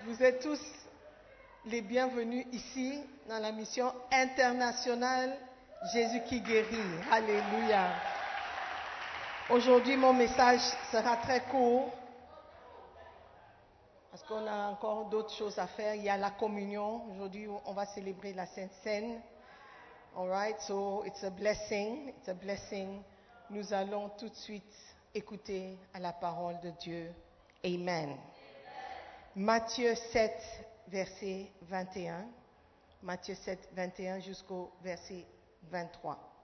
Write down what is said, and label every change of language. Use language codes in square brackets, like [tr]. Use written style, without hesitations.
[fr] Vous êtes tous les bienvenus ici dans la mission internationale Jésus qui guérit. Alléluia. Aujourd'hui, mon message sera très court parce qu'on a encore d'autres choses à faire. Il y a la communion. Aujourd'hui, on va célébrer la Sainte Cène. [en] All right, so it's a blessing, it's a blessing. [fr] Nous allons tout de suite écouter à la parole de Dieu. Amen. Amen. Matthieu 7, verset 21. Matthieu 7, 21 jusqu'au verset 23.